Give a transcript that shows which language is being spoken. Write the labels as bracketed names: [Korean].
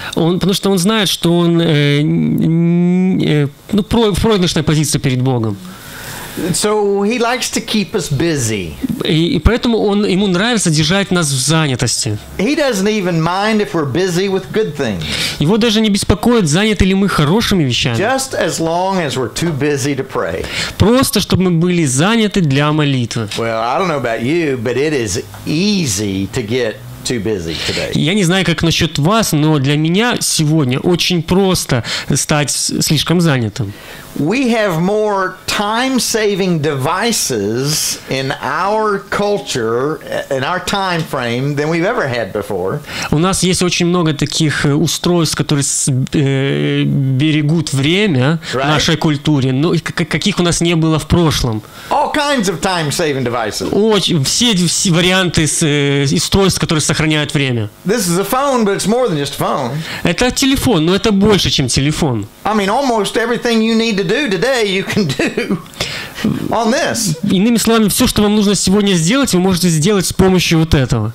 [Russian] Потому что он знает, что он в проигрышной позиции перед Богом. [English] So he likes to keep us busy. [Russian] И поэтому ему нравится держать нас в занятости. [English] He doesn't even mind if we're busy with good things. [Russian] Его даже не беспокоит, заняты ли мы хорошими вещами. [English] Just as long as we're too busy to pray. [Russian] Просто чтобы мы были заняты для молитвы. [English] Well, I don't know about you, but it is easy to get too busy today. [Russian] Я не знаю, как насчет вас, но для меня сегодня очень просто стать слишком занятым. [English] We have more time-saving devices in our culture, in our time frame, than we've ever had before. [Russian] У нас есть очень много таких устройств, которые берегут время в нашей культуре, но каких у нас не было в прошлом. [English] All kinds of time-saving devices. [Russian] Все варианты устройств, которые сохраняют время. [English] This is a phone, but it's more than just a phone. [Russian] Это телефон, но это больше, чем телефон. [English] I mean, almost everything you need to do today, you can do on this. [Russian] Иными словами, все, что вам нужно сегодня сделать, вы можете сделать с помощью вот этого.